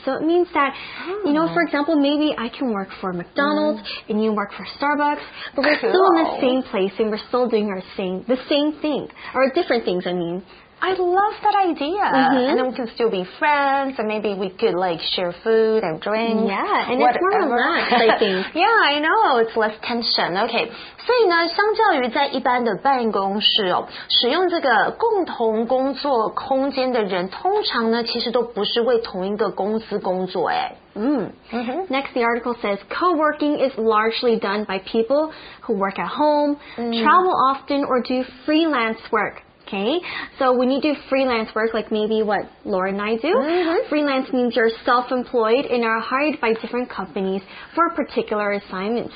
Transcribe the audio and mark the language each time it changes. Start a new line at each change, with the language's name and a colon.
English: So it means that, you know, for example, maybe I can work for McDonald's and you work for Starbucks, but we're still in the same place and we're still doing our same. The same thing, or different things, I mean. I love that idea. And then we can still be friends, and maybe we could, like, share food and drink. Yeah, and it's more relaxed, I think. Yeah, I know, it's less tension. Okay.
Chinese: 所以呢，相较于在一般的办公室哦，使用这个共同工作空间的人，通常呢，其实都不是为同一个公司工作。哎，
English: Next, the article says co-working is largely done by people who work at home, travel often, or do freelance work. Okay, so when you do freelance work, like maybe what Laura and I do, freelance means you're self-employed and are hired by different companies for a particular assignment.